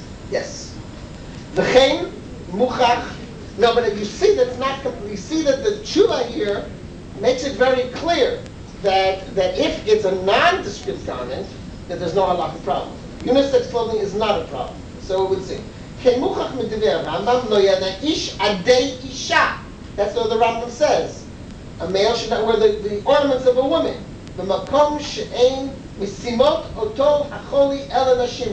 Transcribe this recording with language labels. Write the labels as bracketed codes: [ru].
[en] Yes. The chen, muchach. No, but if you see that it's not complete, you see that the tshuva here makes it very clear that if it's a nondescript garment, that there's no halakha problem. Unisex clothing is not a problem. So it would seem. [he] כן מוכח מדבר הרמב״ם לא ידע איש עדי אישה. [en] That's what the Rambam says. A male should not wear the ornaments of a woman. [he] במקום שאין משימות אותו החולי אלא נשים.